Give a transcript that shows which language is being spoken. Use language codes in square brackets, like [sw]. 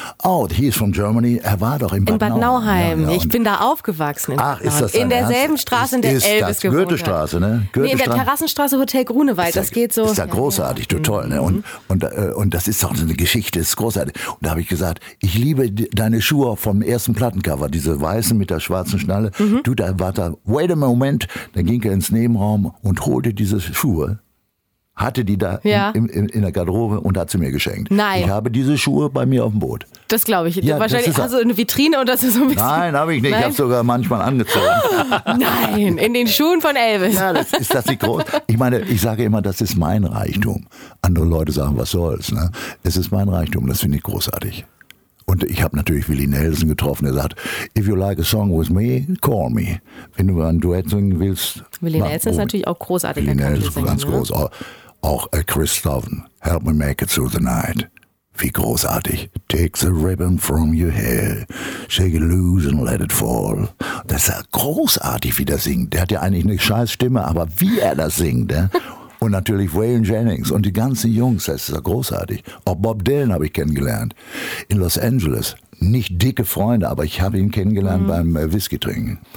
[en] Oh, he is from Germany, [de] er war doch in Bad Nauheim. Ja, ja. Ich bin da aufgewachsen. Ach, ist das in derselben Ernst? Straße, in der ist Elvis gewohnt Goethestraße, ne? Nee, in der Terrassenstraße Hotel Grunewald, das geht so. Ist ja großartig, du toll, ne? Und das ist doch so eine Geschichte, das ist großartig. Und da habe ich gesagt, ich liebe deine Schuhe vom ersten Plattencover, diese weißen mit der schwarzen Schnalle. Mhm. Du, da war da, [en] wait a moment, [de] dann ging er ins Nebenraum und holte diese Schuhe. Hatte die da ja. in der Garderobe und hat sie mir geschenkt. Nein. Ich habe diese Schuhe bei mir auf dem Boot. Das glaube ich. Ja, wahrscheinlich hast du eine Vitrine und das ist so ein bisschen. Nein, habe ich nicht. Nein. Ich habe sogar manchmal angezogen. Nein, in den Schuhen von Elvis. Ja, das ist das nicht groß. Ich meine, ich sage immer, das ist mein Reichtum. Andere Leute sagen, was soll's. Ne? Es ist mein Reichtum, das finde ich großartig. Und ich habe natürlich Willie Nelson getroffen, der sagt, [en] if you like a song with me, call me. [de] Wenn du ein Duett singen willst. Willie Nelson ist natürlich auch großartig. Willie Nelson ist ganz groß. Ne? Auch Chris Stoven, [en] help me make it through the night. [de] Wie großartig. [en] Take the ribbon from your hair. Shake it loose and let it fall. [de] Das ist ja großartig, wie der singt. Der hat ja eigentlich eine scheiß Stimme, aber wie er das singt. Ja? Und natürlich Waylon Jennings und die ganzen Jungs, das ist ja großartig. Auch Bob Dylan habe ich kennengelernt. In Los Angeles. Nicht dicke Freunde, aber ich habe ihn kennengelernt beim Whisky trinken.